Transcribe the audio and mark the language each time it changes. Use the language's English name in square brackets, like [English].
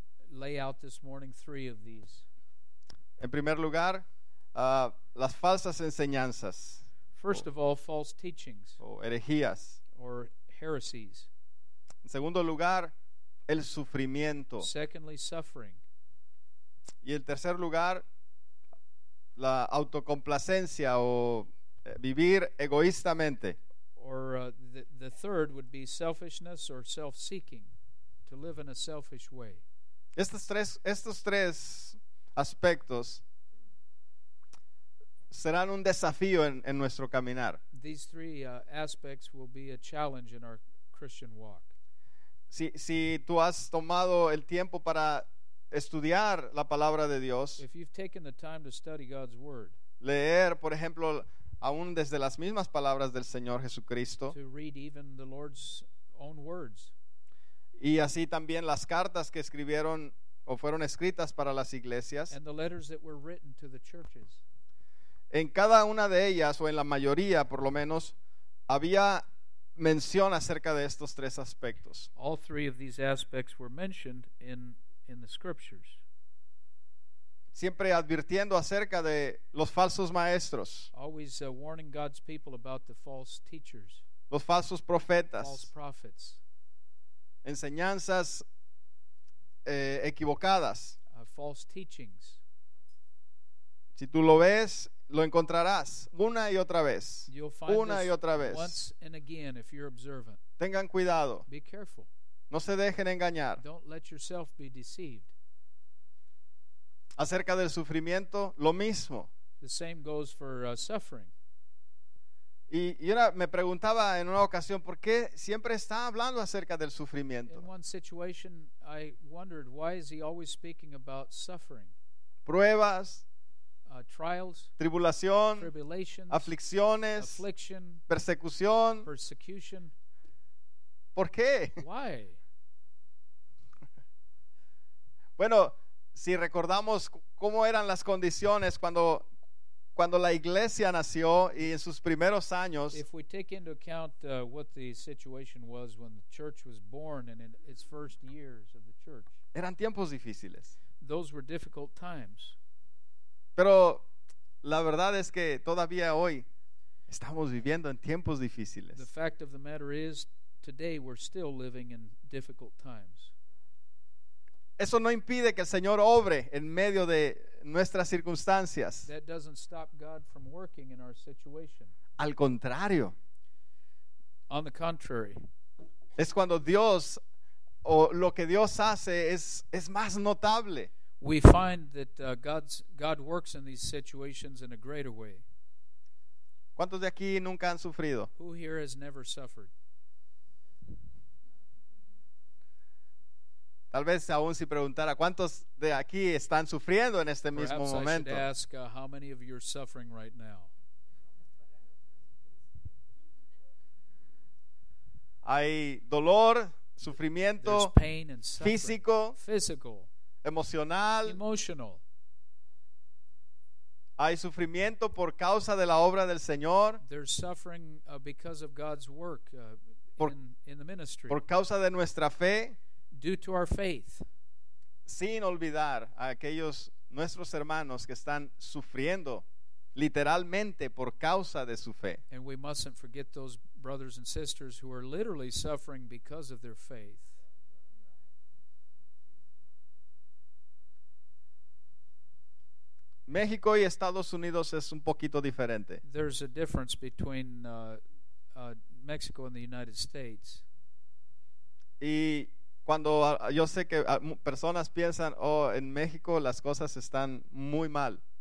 [English] lay out this morning three of these. [Spanish] En primer lugar, las falsas enseñanzas. [English] First of all, false teachings. [Spanish] O herejías. [English] Or heresies. [Spanish] En segundo lugar, el sufrimiento. [English] Secondly, suffering. [Spanish] Y en tercer lugar, la autocomplacencia o vivir egoístamente. [English] Or the third would be selfishness or self-seeking, to live in a selfish way. [Spanish] Estos tres aspectos serán un desafío en nuestro caminar. [English] These three aspects will be a challenge in our Christian walk. [Spanish] Si tú has tomado el tiempo para estudiar la palabra de Dios, [English] if you've taken the time to study God's word, [Spanish] leer, por ejemplo, aún desde las mismas palabras del Señor Jesucristo, [English] to read even the Lord's own words, [Spanish] y así también las cartas que escribieron o fueron escritas para las iglesias, [English] and the letters that were written to the churches, [Spanish] en cada una de ellas, o en la mayoría por lo menos, había mención acerca de estos tres aspectos. [English] All three of these aspects were mentioned in the scriptures. [Spanish] Siempre advirtiendo acerca de los falsos maestros. [English] Always warning God's people about the false teachers. [Spanish] Los falsos profetas. [English] False prophets. [Spanish] Enseñanzas equivocadas. [English] False teachings. [Spanish] Si tú lo ves, lo encontrarás una y otra vez. Una y otra vez. [English] Once and again if you're observant. [Spanish] Tengan cuidado. [English] Be careful. [Spanish] No se dejen engañar. [English] Don't let yourself be deceived. [Spanish] Acerca del sufrimiento, lo mismo. [English] The same goes for suffering. [Spanish] Y una, me preguntaba en una ocasión, ¿por qué siempre está hablando acerca del sufrimiento? [English] In one situation, I wondered, why is he always speaking about suffering? [Spanish] Pruebas. [English] Trials, [Spanish] tribulación, [English] tribulations, [Spanish] aflicciones, [English] affliction, [Spanish] persecución, [English] persecution. [Spanish] ¿Por qué? [English] Why? [Spanish] Bueno, si recordamos cómo eran las condiciones cuando la iglesia nació y en sus primeros años. [English] If we take into account what the situation was when the church was born and in its first years of the church. [Spanish] Eran tiempos difíciles. [English] Those were difficult times. [Spanish] Pero la verdad es que todavía hoy estamos viviendo en tiempos difíciles. [English] The fact of the matter is, today we're still living in difficult times. [Spanish] Eso no impide que el Señor obre en medio de nuestras circunstancias. [English] That doesn't stop God from working in our situation. [Spanish] Al contrario. [English] On the contrary. [Spanish] Es cuando Dios, o lo que Dios hace es más notable. [English] We find that God works in these situations in a greater way. [Spanish] ¿Cuántos de aquí nunca han sufrido? [English] Who here has never suffered? [Spanish] Tal vez aún si preguntara, ¿cuántos de aquí están sufriendo en este mismo momento? [English] Perhaps I should ask how many of you are suffering right now. [Spanish] Hay dolor, sufrimiento, [English] there's pain and suffering. [Spanish] Físico. [English] Physical. [Spanish] Emocional. Hay sufrimiento por causa de la obra del Señor. [English] There's suffering because of God's work in the ministry. [Spanish] Por causa de nuestra fe. [English] Due to our faith. [Spanish] Sin olvidar a aquellos nuestros hermanos que están sufriendo literalmente por causa de su fe. [English] And we mustn't forget those brothers and sisters who are literally suffering because of their faith. [Spanish] México y Estados Unidos es un poquito diferente. [English] There's a difference between Mexico and the United States. [Spanish] Y cuando yo sé que personas piensan, oh, en México las cosas están muy mal.